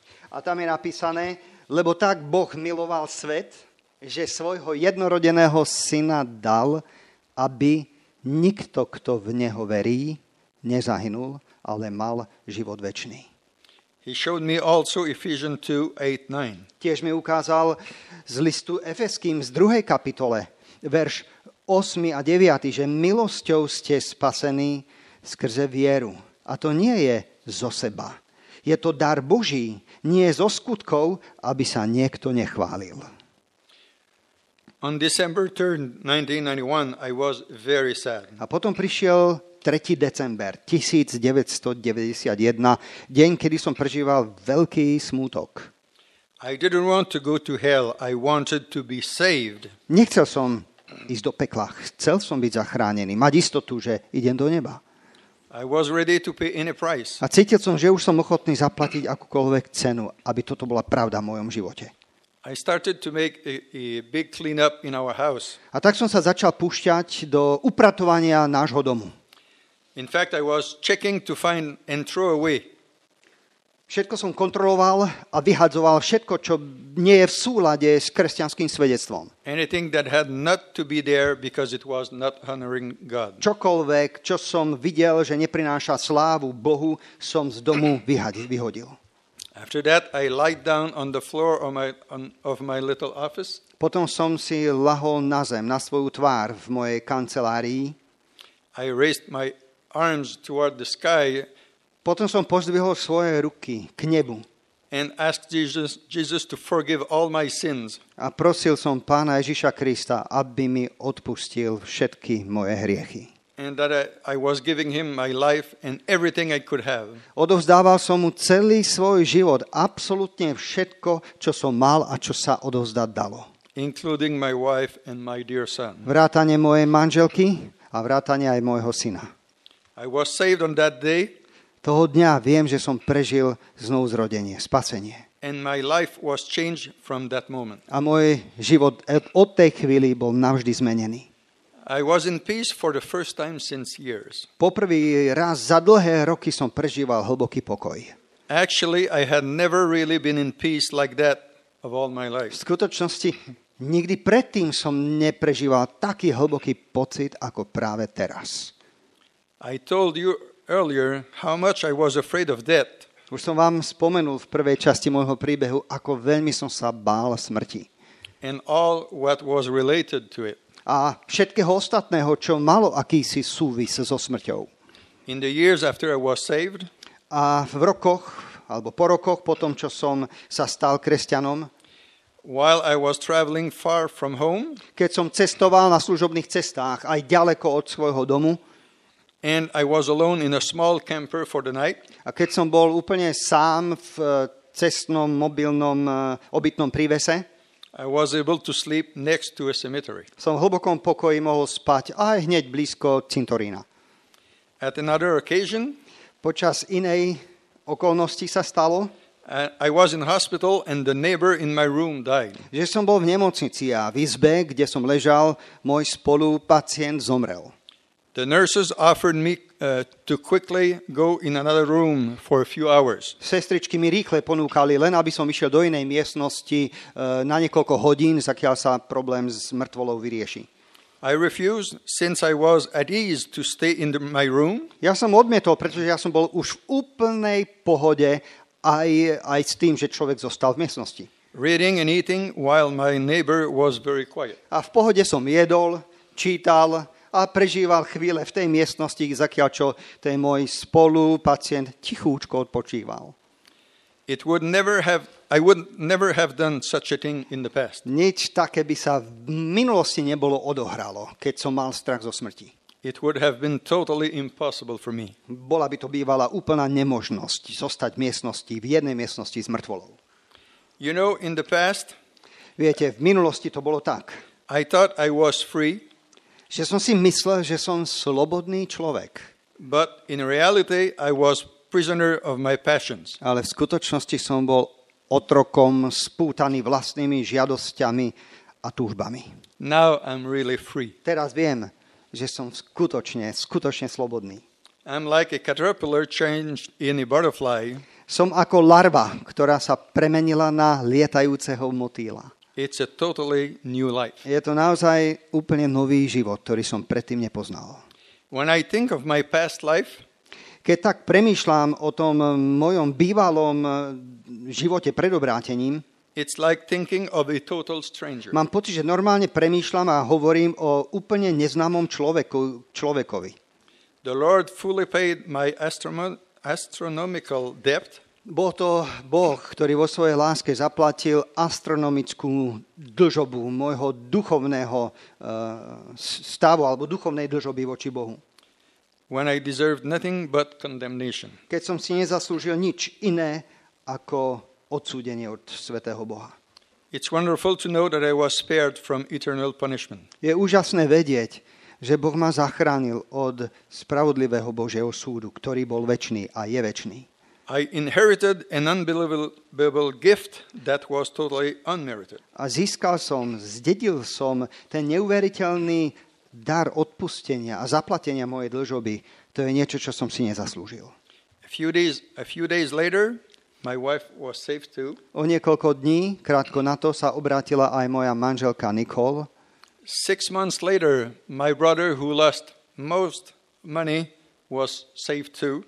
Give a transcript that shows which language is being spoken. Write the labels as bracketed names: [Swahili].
[Slovak] A tam je napísané, lebo tak Boh miloval svet, že svojho jednorodeného syna dal, aby nikto, kto v neho verí, nezahynul, ale mal život večný. [English] He showed me also Ephesians 2:8-9. [Slovak] Tiež mi ukázal z listu Efeským z 2. kapitole, verš 8 a 9, že milosťou ste spasení skrze vieru. A to nie je zo seba. Je to dar Boží, nie zo skutkov, aby sa niekto nechválil. [English] On December 3, 1991, I was very sad. [Slovak] A potom prišiel 3. december 1991, deň, kedy som prežíval veľký smútok. [English] I didn't want to go to hell, I wanted to be saved. [Slovak] Nechcel som ísť do pekla, chcel som byť zachránený, mať istotu, že idem do neba. [English] I was ready to pay any price. [Slovak] A cítil som, že už som ochotný zaplatiť akúkoľvek cenu, aby toto bola pravda v mojom živote. [English] I started to make a big cleanup in our house. [Slovak] A tak som sa začal púšťať do upratovania nášho domu. [English] In fact, I was checking to find and throw away. [Slovak] Všetko som kontroloval a vyhadzoval všetko, čo nie je v súlade s kresťanským svedectvom. [English] Anything that had not to be there because it was not honoring God. [Slovak] Čokoľvek, čo som videl, že neprináša slávu Bohu, som z domu vyhodil. [English] After that, I lied down on the floor of my little office. [Slovak] Potom som si lahol na zem, na svoju tvár v mojej kancelárii. [English] I raised my arms toward the sky. [Slovak] Potom som pozdvihol svoje ruky k nebu. [English] And asked Jesus to forgive all my sins. [Slovak] A prosil som Pána Ježiša Krista, aby mi odpustil všetky moje hriechy. [English] And that I was giving him my life and everything I could have. [Slovak] Odovzdával som mu celý svoj život, absolútne všetko, čo som mal a čo sa odovzdať dalo. [English] Including my wife and my dear son. [Slovak] Vrátane mojej manželky a vrátane aj môjho syna. [English] I was saved on that day. [Slovak] Toho dňa viem, že som prežil znovuzrodenie, spasenie. [English] And my life was changed from that moment. [Slovak] A môj život od tej chvíli bol navždy zmenený. [English] I was in peace for the first time since years. [Slovak] Poprvý raz za dlhé roky som prežíval hlboký pokoj. [English] Actually, I had never really been in peace like that of all my life. [Slovak] V skutočnosti nikdy predtým som neprežíval taký hlboký pocit ako práve teraz. [English] I told you earlier how much I was afraid of death. [Slovak] Už som vám spomenul v prvej časti môjho príbehu, ako veľmi som sa bál smrti. [English] And all what was related to it. [Slovak] A všetkého ostatného, čo malo akýsi súvis so smrťou. [English] In the years after I was saved, [Slovak] a v rokoch, alebo po rokoch, po tom, čo som sa stal kresťanom, [English] while I was traveling far from home, [Slovak] keď som cestoval na služobných cestách, aj ďaleko od svojho domu, [English] and I was alone in a small camper for the night, [Slovak] a keď som bol úplne sám v cestnom, mobilnom, obytnom prívese, [English] I was able to sleep next to a cemetery. [Slovak] Som v hlbokom pokoji mohol spať aj hneď blízko cintorína. [English] At another occasion, [Slovak] počas inej okolnosti sa stalo, [English] I was in hospital and the neighbor in my room died. [Slovak] Že som bol v nemocnici a v izbe, kde som ležal, môj spolupacient zomrel. [English] The nurses offered me to quickly go in another room for a few hours. [Slovak] Sestričky mi rýchle ponúkali len, aby som išiel do inej miestnosti na niekoľko hodín, zakiaľ sa problém s mŕtvolou vyrieši. [English] I refused since I was at ease to stay in my room. [Slovak] Ja som odmietol, pretože ja som bol už v úplnej pohode aj s tým, že človek zostal v miestnosti. [English] Reading and eating while my neighbor was very quiet. [Slovak] A v pohode som jedol, čítal a prežíval chvíle v tej miestnosti, zakiaľ čo ten môj spolupacient tichúčko odpočíval. [English] I would never have done such a thing in the past. [Slovak] Nič také by sa v minulosti nebolo odohralo, keď som mal strach zo smrti. [English] It would have been totally impossible for me. [Slovak] Bola by to bývala úplná nemožnosť zostať v miestnosti, v jednej miestnosti s mŕtvolou. [English] You know, in the past, [Slovak] viete, v minulosti to bolo tak. [English] I thought I was free. [Slovak] Že som si myslel, že som slobodný človek. [English] But in reality, I was prisoner of my passions. [Slovak] Ale v skutočnosti som bol otrokom, spútaný vlastnými žiadosťami a túžbami. [English] Now I'm really free. [Slovak] Teraz viem, že som skutočne slobodný. [English] I'm like a caterpillar changed in a butterfly. [Slovak] Som ako larva, ktorá sa premenila na lietajúceho motýla. [English] It's a totally new life. [Slovak] Je to naozaj úplne nový život, ktorý som predtým nepoznal. [English] When I think of my past life, [Slovak] keď tak premýšľam o tom mojom bývalom živote pred obrátením, [English] it's like thinking of a total stranger. [Slovak] Mám pocit, že normálne premýšľam a hovorím o úplne neznámom človekovi. [English] The Lord fully paid my astronomical debt. [Slovak] Bol to Boh, ktorý vo svojej láske zaplatil astronomickú dlžobu môjho duchovného stavu alebo duchovnej dlžoby voči Bohu. [English] When I deserved nothing but condemnation. [Slovak] Keď som si nezaslúžil nič iné ako odsúdenie od svätého Boha. [English] It's wonderful to know that I was spared from eternal punishment. [Slovak] Je úžasné vedieť, že Boh ma zachránil od spravodlivého Božieho súdu, ktorý bol večný a je večný. [English] I inherited an unbelievable gift that was totally unmerited. [Slovak] A získal som, zdedil som ten neuveriteľný dar odpustenia a zaplatenia mojej dlžoby. To je niečo, čo som si nezaslúžil. [English] A few days later, my wife was safe too. [Slovak] O niekoľko dní, krátko na to, sa obrátila aj moja manželka Nicole. [English] 6 months later, my brother who lost most money was safe too.